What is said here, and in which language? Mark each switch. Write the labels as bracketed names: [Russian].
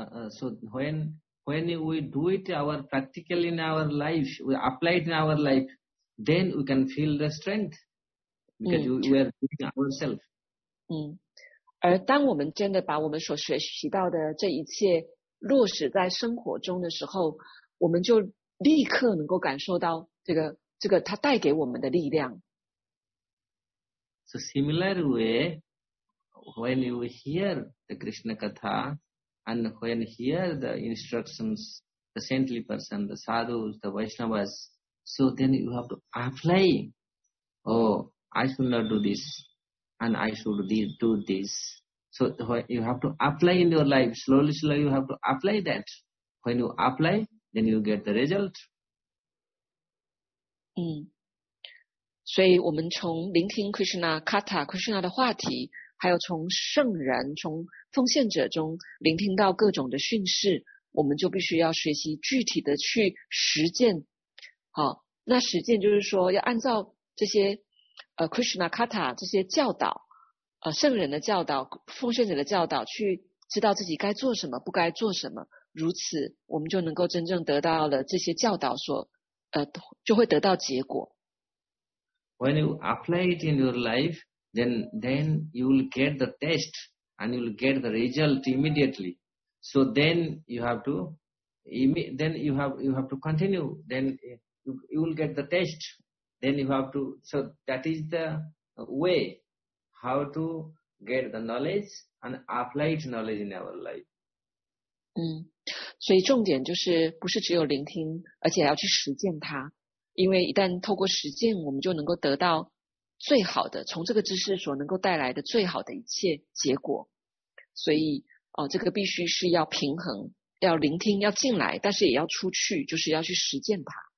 [English] So when we do it our practical in our life, we apply it in our life, then we can feel the strength because we are doing ourselves. [Chinese] 而当我们真的把我们所学习到的这一切落实在生活中的时候，我们就立刻能够感受到这个它带给我们的力量。 [English] So similar way, when you hear the Krishna Katha and when hear the instructions, the saintly person, the sadhus, the Vaishnavas, so then you have to apply. Oh, I should not do this, and I should do this. So you have to apply in your life, slowly you have to apply that. When you apply, then you get the result. [Chinese] 所以我们从聆听 Krishna Katha, Krishna 的话题，还有从圣人、从奉献者中聆听到各种的训示，我们就必须要学习具体的去实践。好，那实践就是说要按照这些Krishna Katha 这些教导圣人的教导、奉献者的教导，去知道自己该做什么、不该做什么，如此我们就能够真正得到了这些教导所，就会得到结果。 [English] When you apply it in your life, then you will get the test and you will get the result immediately. So then you have to continue. Then you will get the test. Then you have to. So that is the way. How to get the knowledge and apply it knowledge in our life. [Chinese] 所以重点就是不是只有聆听，而且要去实践它。因为一旦透过实践，我们就能够得到最好的，从这个知识所能够带来的最好的一切结果。所以这个必须是要平衡，要聆听，要进来，但是也要出去，就是要去实践它。